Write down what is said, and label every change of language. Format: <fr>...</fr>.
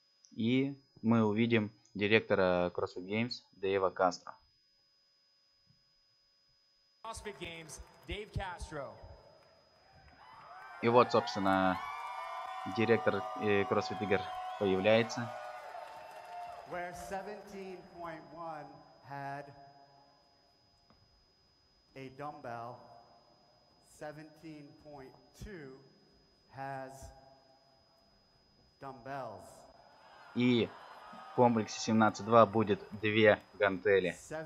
<ru>И мы увидим директора CrossFit Games Дэйва Кастро. CrossFit Games, Дэйв Кастро. И вот, собственно, директор CrossFit игр появляется.</ru> <en>Where 17.1 had a dumbbell, 17.2 has dumbbells.</en> <ru>И в комплексе 17.2 будет две гантели.</ru>